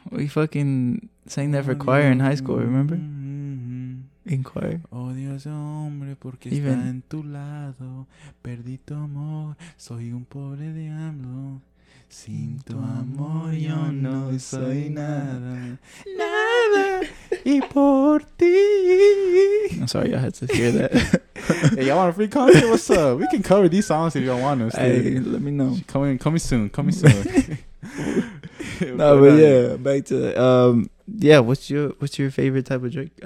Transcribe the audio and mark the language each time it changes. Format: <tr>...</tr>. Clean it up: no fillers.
<en>We fucking sang that for audio choir in high school, remember? In choir.</en> <es>Odio ese hombre porque even está en tu lado. Perdí tu amor. Soy un pobre diablo. Sin tu amor yo no soy nada. Nada. Y por ti.</es> <en>I'm sorry y'all had to hear that. Hey, y'all want a free concert? What's up? We can cover these songs if y'all want us. Hey, let me know. Coming soon. Coming soon. No, but yeah, back to yeah, what's your favorite type of Drake?</en>